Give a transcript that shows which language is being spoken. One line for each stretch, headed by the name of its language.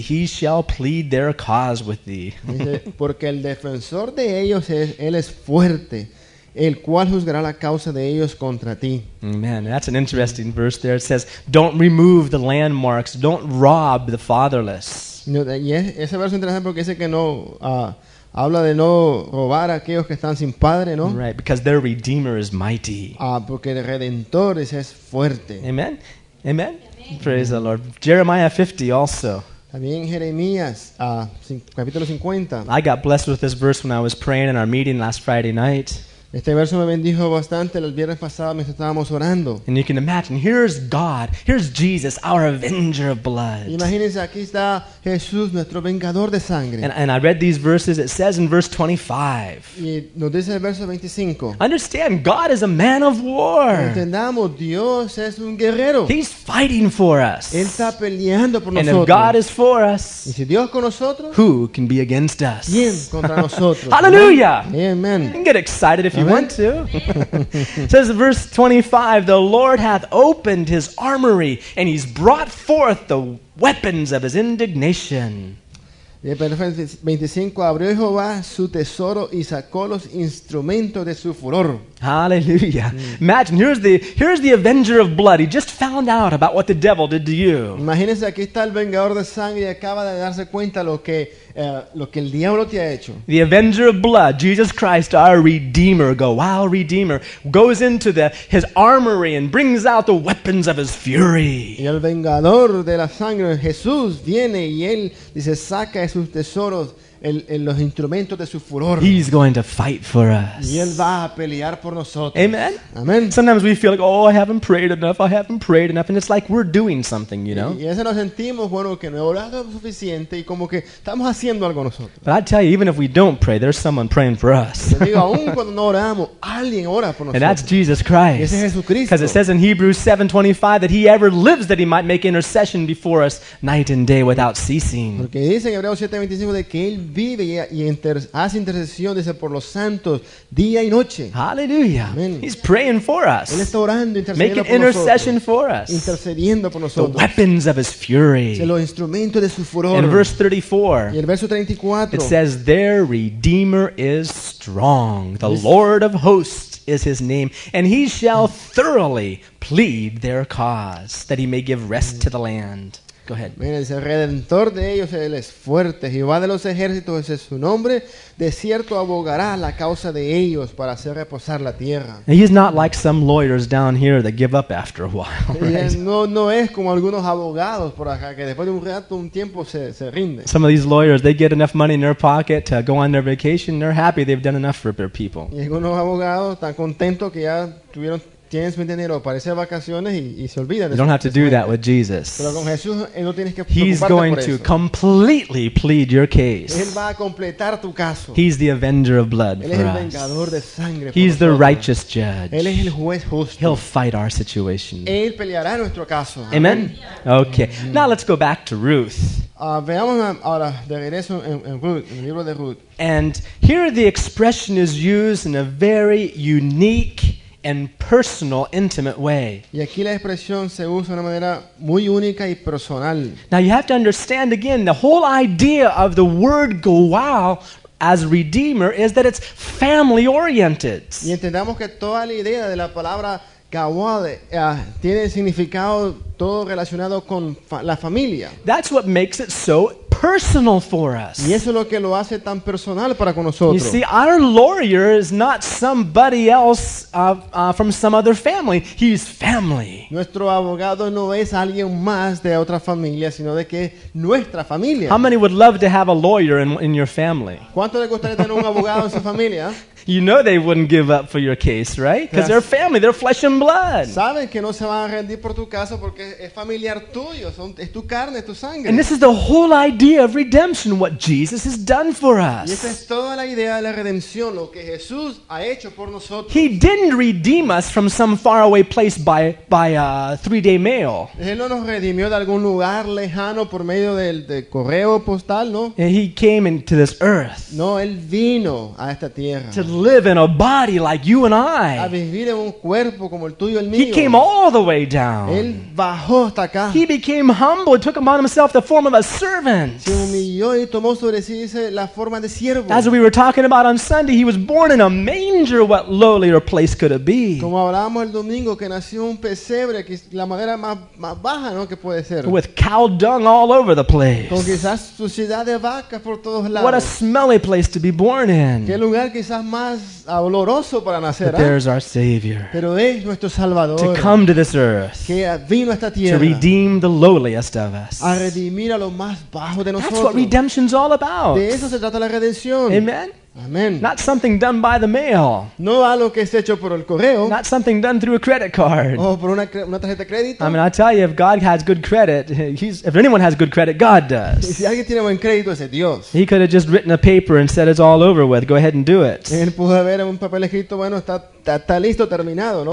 English: He shall plead their cause with thee.
Spanish: Dice, porque el defensor de ellos es él es fuerte. El cual juzgará la causa de ellos contra ti.
English: Amen. That's an interesting verse there. It says, don't remove the landmarks. Don't rob the fatherless.
Spanish: Ese verso es interesante porque dice que no habla de no robar a aquellos que están sin padre, ¿no?
English: Right, because their Redeemer is mighty.
Spanish: Porque el Redentor es fuerte.
English: Amen. Amen. Praise the Lord. Jeremiah 50 also.
Spanish: También Jeremías, capítulo 50.
English: I got blessed with this verse when I was praying in our meeting last Friday night.
Spanish: Este verso me bendijo bastante el viernes pasado mientras estábamos orando.
English: And you can imagine, here's God, here's Jesus, our avenger of blood.
Spanish: Imagínense, aquí está Jesús, nuestro vengador de sangre.
English: And I read these verses, it says in verse 25.
Spanish: Y nos dice el verso 25.
English: Understand, God is a man of war.
Spanish: Entendamos, Dios es un guerrero.
English: He's fighting for us.
Spanish: Él está peleando por nosotros.
English: And if God is for us,
Spanish: y si Dios con nosotros,
English: who can be against us?
Spanish: ¿Quién contra nosotros?
English: Hallelujah! Amen. You can get excited if you want to. It says in verse 25, the Lord hath opened his armory and he's brought forth the weapons of his indignation.
Spanish: Y en el 25, abrió Jehová su tesoro y sacó los instrumentos de su furor.
English: Hallelujah. Imagine, here's the avenger of blood. He just found out about what the devil did to you.
Spanish: Imagínense, aquí está el vengador de sangre y acaba de darse cuenta lo que el diablo te ha hecho.
English: The avenger of blood, Jesus Christ, our Redeemer, Goal Redeemer, goes into his armory and brings out the weapons of his fury.
Spanish: Y el vengador de la sangre, Jesús, viene y él dice, saca sus tesoros. Los instrumentos de su furor.
English: He's going to fight for us.
Spanish: Y él va a pelear por nosotros.
English: Amen. Amen. Sometimes we feel like, oh, I haven't prayed enough, and it's like we're doing something, you know.
Spanish: Y eso nos sentimos bueno que no he orado suficiente y como que estamos haciendo algo nosotros.
English: But I tell you, even if we don't pray, there's someone praying for us.
Spanish: Digo, aun cuando no oramos, alguien ora por nosotros.
English: And that's Jesus Christ.
Spanish: Y ese es Jesucristo.
English: Because it says in Hebrews 7:25 that He ever lives that He might make intercession before us night and day without ceasing.
Spanish: Porque dice en Hebreos 7:25 de que él vive y hace intercesión dice por los santos día y noche.
English: Hallelujah. Amen. He's praying for us.
Spanish: Él está orando,
English: making intercession
Spanish: nosotros,
English: for us.
Spanish: Intercediendo por nosotros.
English: The weapons of his fury.
Spanish: Los instrumentos de su furor.
English: In verse 34.
Spanish: Y el verso 34.
English: It says their Redeemer is strong. The Lord of hosts is his name, and he shall thoroughly plead their cause that he may give rest to the land. Go ahead.
Spanish: Mira, dice, el Redentor de ellos él es fuerte. Jehová de los ejércitos ese es su nombre. De cierto abogará la causa de ellos para hacer reposar la tierra.
English: He is not like some lawyers down here that give up after a while, right?
Spanish: No es como algunos abogados por acá que después de un rato, un tiempo se rinden.
English: Some of these lawyers, they get enough money in their pocket to go on their vacation. They're happy they've done enough for their people.
Spanish: Y algunos abogados están contentos que ya tuvieron tienes buen dinero, parece vacaciones y se olvidan.
English: You don't have to do that with Jesus.
Spanish: Pero con Jesús no tienes que preocuparte por eso.
English: He's going to completely plead your case.
Spanish: Él va a completar tu caso.
English: He's the avenger of blood for us.
Spanish: Él es el vengador de sangre.
English: He's the righteous judge.
Spanish: Él es el juez justo.
English: He'll fight our situation.
Spanish: Él peleará nuestro caso.
English: Amen. Okay. Mm-hmm. Now let's go back to Ruth.
Spanish: Veamos ahora de regreso en Ruth, en el libro de Ruth.
English: And here the expression is used in a very unique and personal, intimate way.
Spanish: Y aquí la expresión se usa de una manera muy única y personal.
English: Now you have to understand again, the whole idea of the word goel as redeemer is that it's family oriented.
Spanish: Y entendamos que toda la idea de la palabra goel tiene significado todo relacionado con la familia.
English: That's what makes it so personal for us.
Spanish: Y eso es lo que lo hace tan personal para con nosotros.
English: You see, our lawyer is not somebody else from some other family. He's family.
Spanish: Nuestro abogado no es alguien más de otra familia, sino de que nuestra familia.
English: How many would love to have a lawyer in your family?
Spanish: ¿Cuánto le gustaría tener un abogado en su familia?
English: You know they wouldn't give up for your case, right? Because they're family, they're flesh and blood.
Spanish: Saben que no se van a rendir por tu caso porque es familiar tuyo, es tu carne, es tu sangre.
English: And this is the whole idea of redemption, what Jesus has done for us.
Spanish: Y esa es toda la idea de la redención, lo que Jesús ha hecho por nosotros.
English: He didn't redeem us from some faraway place by three-day mail.
Spanish: Él no nos redimió de algún lugar lejano por medio del correo postal, ¿no?
English: And he came into this earth.
Spanish: No, él vino a esta tierra.
English: Live in a body like you and I.
Spanish: A vivir en un cuerpo como el tuyo, el mío.
English: He came all the way down.
Spanish: Él bajó hasta acá.
English: He became humble, took upon himself the form of a servant.
Spanish: Se humilló y tomó sobre sí la forma de siervo.
English: As we were talking about on Sunday, he was born in a manger. What lowlier place could it be?
Spanish: Como hablamos el domingo, que nació un pesebre, que es la manera más baja, ¿no? Que puede ser.
English: With cow dung all over the place.
Spanish: Con quizás suciedad de vaca por todos lados.
English: What a smelly place to be born in.
Spanish: Qué lugar quizás más doloroso para nacer.
English: But there's our Savior.
Spanish: Pero es nuestro Salvador.
English: To come to this earth.
Spanish: Que vino a esta tierra.
English: To redeem the lowliest of us.
Spanish: A redimir a lo más bajo de nosotros.
English: That's what redemption's all about.
Spanish: De eso se trata la redención.
English: Amen. Amen. Not something done by the mail.
Spanish: No algo que es hecho por el correo.
English: Not something done through a credit card.
Spanish: O por una tarjeta de crédito.
English: I mean, I tell you, if God has good credit, if anyone has good credit, God does.
Spanish: Y si alguien tiene buen crédito, es Dios.
English: He could have just written a paper and said it's all over with. Go ahead and do it.
Spanish: Él pudo haber un papel escrito, bueno, está listo, terminado, ¿no?